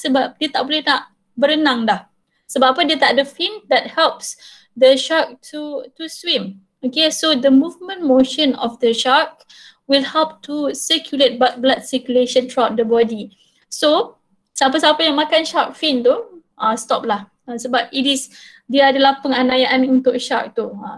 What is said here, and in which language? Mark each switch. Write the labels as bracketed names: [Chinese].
[Malay] Sebab dia tak boleh nak berenang dah. Sebab apa dia tak ada fin [English] that helps the shark to swim. Okay, so the movement motion of the shark will help to circulate blood circulation throughout the body. [Malay] So, siapa-siapa yang makan shark fin tu, stop lah. Sebab dia adalah penganiayaan untuk shark tu.